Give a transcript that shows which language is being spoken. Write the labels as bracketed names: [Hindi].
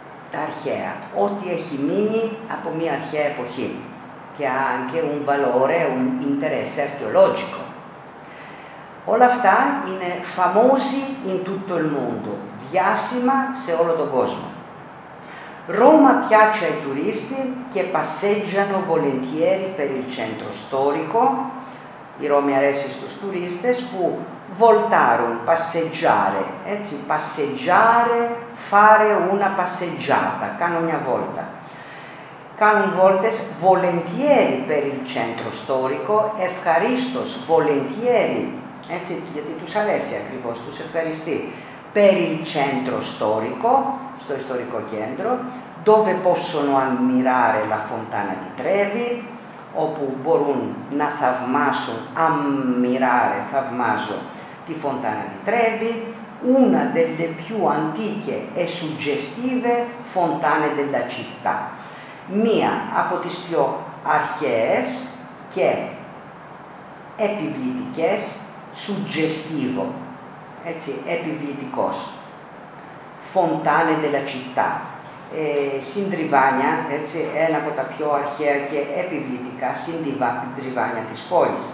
[Greek] Τα αρχαία, ό,τι έχει μείνει από μια αρχαία εποχή και [Italian] anche un valore, un interesse archeologico. [Greek] Όλα αυτά είναι [Italian] famosi in tutto il mondo, [Greek] διάσημα σε όλο τον κόσμο. [Italian] Roma piace ai turisti che passeggiano volentieri per il centro storico. [Greek] I Romi αρέσει στους τουρίστες που voltaron, passeggiare, έτσι, [Italian] passeggiare, fare una passeggiata, [Greek] κάνω μια βόλτα. Κάνουν βόλτες [Italian] volentieri per il centro storico, ευχαρίστως, volentieri, [Greek] έτσι, γιατί τους αρέσει ακριβώς, τους ευχαριστεί, [Italian] per il centro storico, [Greek] στο ιστορικό κέντρο, [Italian] dove possono ammirare la Fontana di Trevi, [Greek] όπου μπορούν να θαυμάσουν, [Italian] ammirare, θαυμάζω, τη Fontana di Trevi, una delle più antiche e suggestive fontane della città. [Greek] Μία από τις πιο αρχαίες και επιβλητικές, suggestivo, έτσι, επιβλητικός. [Italian] Fontane della città. [Greek] Συντριβάνια, έτσι, ένα από τα πιο αρχαία και επιβλητικά συντριβάνια της πόλης.